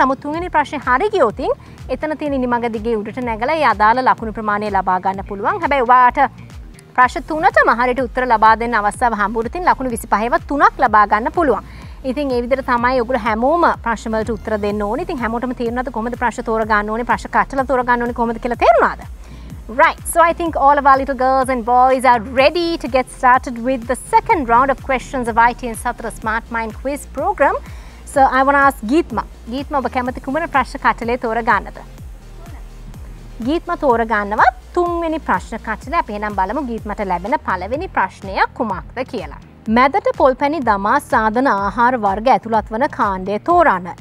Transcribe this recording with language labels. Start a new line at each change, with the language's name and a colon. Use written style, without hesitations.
Sinhala: නමුත් තුන්වෙනි ප්‍රශ්නේ හරි ගියොත් එතන තියෙන ඉනිමඟ දිගේ උඩට නැගලා ඒ අදාළ ලකුණු ප්‍රමාණය ලබා ගන්න පුළුවන්. හැබැයි ඔයාට ප්‍රශ්න තුනටම හරියට උත්තර ලබා දෙන්න අවස්ථාව හම්බුරුතින් ලකුණු 25වත් 3ක් ලබා ගන්න පුළුවන්. ඉතින් ඒ විදිහට තමයි ඔයගොල්ලෝ හැමෝම ප්‍රශ්න වලට උත්තර දෙන්න ඕනේ. ඉතින් හැමෝටම තේරෙනවද කොහොමද ප්‍රශ්න තෝරගන්න ඕනේ, ප්‍රශ්න කටලා තෝරගන්න ඕනේ කොහොමද කියලා තේරෙනවද?
English: Right. So I think all of our little girls and boys are ready to get started with the second round of questions of ITN Smart Mind quiz program. So I want to ask Geetma.
Sinhala: Geetma, ඔබ කැමති කුමන ප්‍රශ්න කටලේ තෝරගන්නද? ගීත්ම තෝරගන්නවා තුන්වෙනි ප්‍රශ්න කටලේ. අපි එහෙනම් බලමු ගීත්මට ලැබෙන පළවෙනි ප්‍රශ්නය කුමක්ද කියලා. මැදට පොල්පැණි දමා සාදන ආහාර වර්ග ඇතුළත් වන කාණ්ඩය තෝරන්න.